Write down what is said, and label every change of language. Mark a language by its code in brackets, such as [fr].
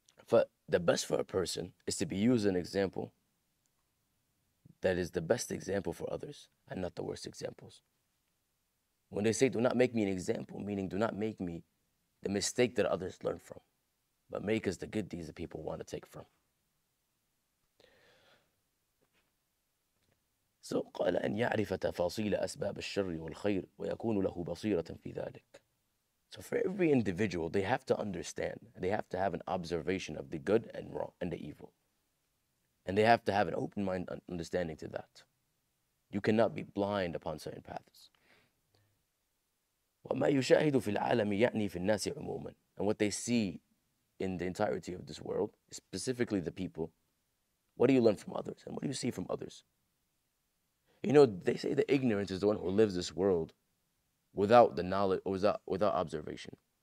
[en] But the best for a person is to be used an example that is the best example for others and not the worst examples. When they say, do not make me an example, meaning do not make me the mistake that others learn from, but make us the good deeds that people want to take from. [ar] So, قال أن يعرف تفاصيل أسباب الشر والخير ويكون له بصيرة في ذلك. [en] So for every individual, they have to understand, they have to have an observation of the good and wrong and the evil. And they have to have an open mind understanding to that. You cannot be blind upon certain paths. [ar] وما يشاهد في العالم يعني في الناس عموما. [en] And what they see in the entirety of this world, specifically the people, what do you learn from others and what do you see from others? You know, they say the ignorant is the one who lives this world without the knowledge or without observation.